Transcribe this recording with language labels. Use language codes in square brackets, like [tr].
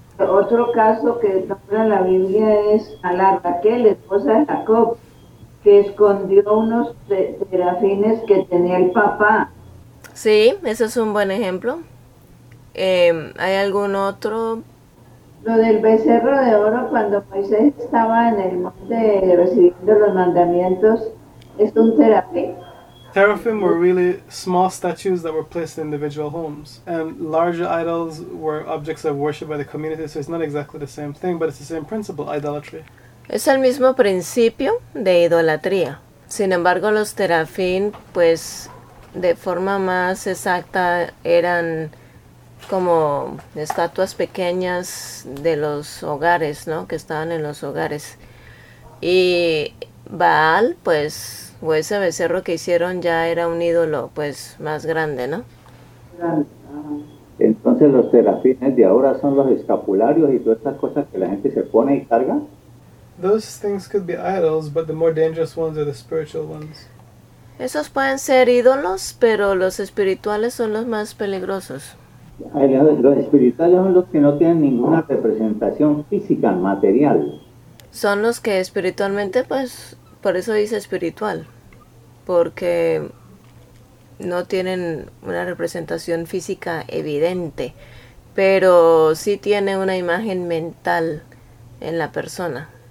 [es] Otro caso que está en la Biblia es a la Raquel, esposa de Jacob, que escondió unos serafines que tenía el papá. Sí, ese es un buen ejemplo. ¿Hay algún otro? Lo del becerro de oro cuando Moisés estaba en el monte recibiendo los mandamientos, ¿es un serafín? [en] Teraphim were really small statues that were placed in individual homes, and larger idols were objects of worship by the community, so it's not exactly the same thing, but it's the same principle, idolatry. [es] Es el mismo principio de idolatría. Sin embargo, los terafín, pues, de forma más exacta, eran como estatuas pequeñas de los hogares, ¿no? Que estaban en los hogares. Y Baal, pues, o ese becerro que hicieron ya era un ídolo, pues, más grande, ¿no? Entonces, los terafines de ahora son los escapularios y todas estas cosas que la gente se pone y carga. [en] Those things could be idols, but the more dangerous ones are the spiritual ones. [es] Esos pueden ser ídolos, pero los espirituales son los más peligrosos. Los espirituales son los que no tienen ninguna representación física, material. Son los que espiritualmente, pues, por eso dice espiritual. Porque no tienen una representación física evidente, pero sí tiene una imagen mental en la persona.